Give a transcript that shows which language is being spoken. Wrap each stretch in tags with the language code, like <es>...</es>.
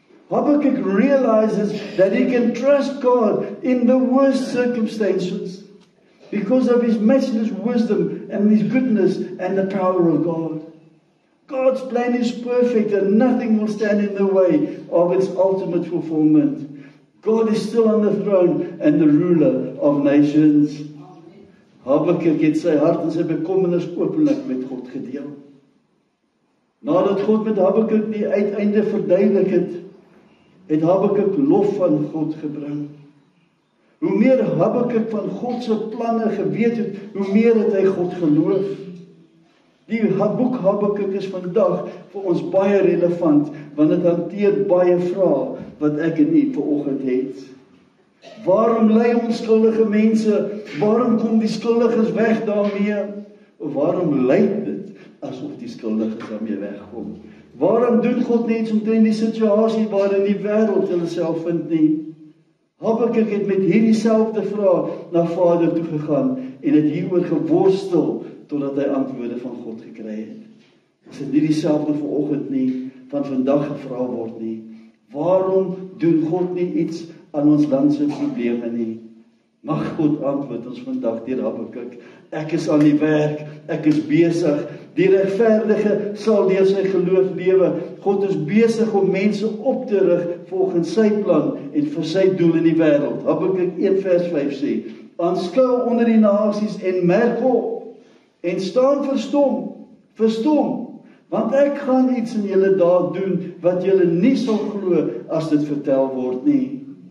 <en>Habakkuk realizes that he can trust God in the worst circumstances because of his matchless wisdom and his goodness and the power of God. God's plan is perfect and nothing will stand in the way of its ultimate fulfillment. God is still on the throne and the ruler of nations.</en> <af>Habakkuk het sy hart en sy bekommernis openlik met God gedeel. Nadat God met Habakkuk die uiteinde verduidelik het, het Habakkuk lof van God gebring. Hoe meer Habakkuk van God se planne geweet het, hoe meer het hy God geloof. Die boek Habakkuk is vandag vir ons baie relevant, want dit hanteer baie vrae wat ek en u vanoggend het. Waarom lei onskuldige mense? Waarom kom die skuldiges weg daarmee? Waarom lyk dit asof die skuldiges daarmee wegkom? Waarom doen God niks omtrent die situasie waarin die wêreld hulle self vind nie? Habakkuk het met hierdie selfde vraag na Vader toe gegaan en het hieroor geworstel totdat hy antwoorde van God gekry het. Is dit nie dieselfde vanoggend nie, van vandag gevra word nie? Waarom doen God nie iets aan ons landse probleme nie? Mag God antwoord ons vandag deur Habakkuk. Ek is aan die werk, ek is besig. Die regverdige sal deur sy geloof lewe. God is besig om mense op te rig volgens sy plan en vir sy doel in die wêreld. Habakkuk 1 vers 5 sê, aanskou onder die nasies en merk op en staan verstom, want ek gaan iets in julle daad doen wat julle nie sal glo as dit vertel word nie.</af>